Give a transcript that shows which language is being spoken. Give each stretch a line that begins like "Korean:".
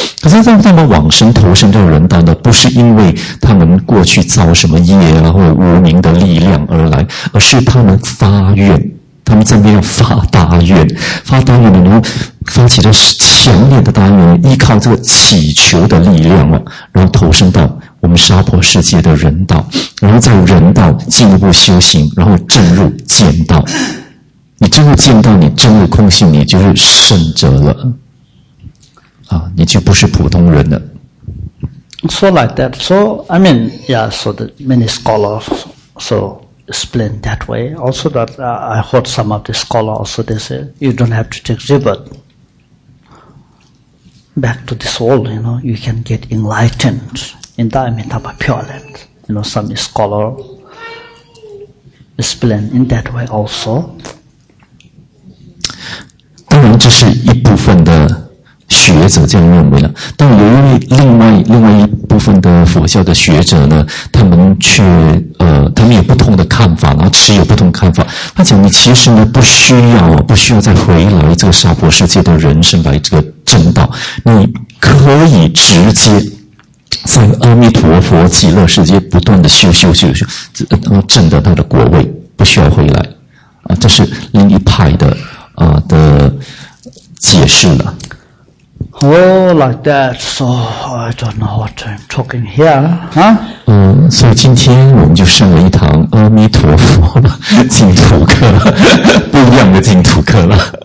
Chinese: 可是他们往生投身这个人道呢，不是因为他们过去造什么业啊，或者无明的力量而来，而是他们发愿，他们在那边要发大愿，发大愿呢，然后发起这强烈的大愿，依靠这个祈求的力量啊，然后投身到我们娑婆世界的人道，然后在人道进一步修行，然后证入见道。你真的见到你真的空性，你就是圣者了啊，你就不是普通人了。
English: So like that. So I mean, yeah. So the many scholars so explain that way. Also that I heard some of the scholars also they say you don't have to take rebirth back to this world. You know, you can get enlightened in the Amitabha Pure Land. You know, some scholar explain in that way also.
Chinese: 当然这是一部分的学者这样认为了，但由于另外一部分的佛教的学者呢，他们却他们有不同的看法，然后持有不同的看法。他讲你其实呢不需要再回来这个娑婆世界的人生来这个正道，你可以直接在阿弥陀佛极乐世界不断的修，然后证得他的果位，不需要回来啊。这是另一派的。的解释了。
English: Oh, like that. So I don't know what I'm talking here, huh?
Chinese: 所以今天我们就上了一堂阿弥陀佛的净土课了，不一样的净土课了。